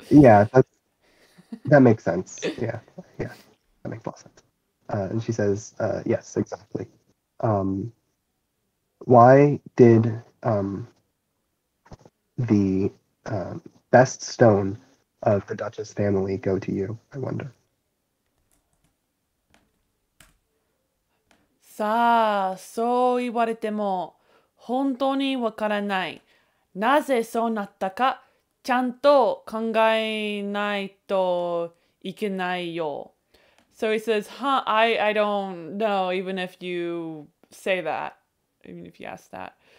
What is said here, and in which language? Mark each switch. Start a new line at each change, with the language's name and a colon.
English: Yeah, that makes sense. Yeah, that makes a lot of sense. And she says, yes, exactly. Why did the best stone of the Duchess family go to you, I wonder?
Japanese: さあ、そう言われても、本当にわからない。なぜそうなったか、ちゃんと考えないといけないよ。
English: So he says, huh, I don't know, even if you say that, even if you ask that.